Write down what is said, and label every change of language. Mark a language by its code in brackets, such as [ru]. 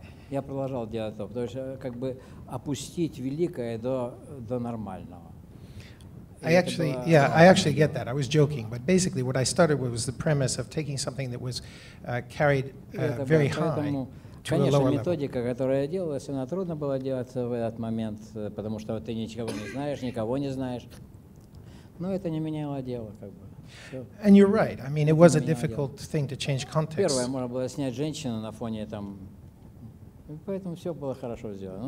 [ru] Я продолжал делать то, потому что как бы опустить великое до нормального. [en] I actually get that. I was joking, but basically, what I started with was the premise of taking something that was carried very high to a lower level. [ru] Которая делалась, она трудно было делать в этот момент, потому что ты никого не знаешь. Но это не меняло дело, как бы. [en] And you're right. I mean, it was a difficult thing to change context. [ru] Первое, можно было снять женщину на фоне там, поэтому все было хорошо сделано.